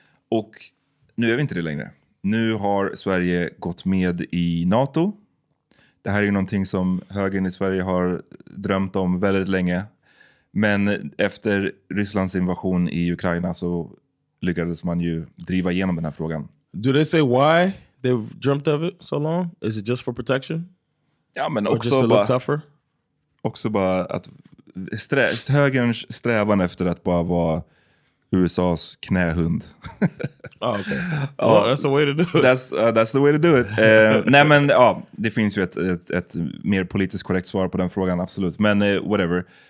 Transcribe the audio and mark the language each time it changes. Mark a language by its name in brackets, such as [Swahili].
[Swedish] Och nu är vi inte det längre. Nu har Sverige gått med i NATO. Det här är ju någonting som högern i Sverige har drömt om väldigt länge. Men efter Rysslands invasion i Ukraina så lyckades man ju driva igenom den här frågan. [English] Do they say why they've dreamt of it so long? Is it just for protection? [Swedish] Ja, men också bara... [English] Or just a little tougher? [Swedish] Också bara att högerns strävan efter att bara vara USA:s knähund. [English] Oh, okay. Well, that's the way to do it. That's the way to do it. [Swedish] nej men ja, det finns ju ett mer politiskt korrekt svar på den frågan, absolut. Men whatever.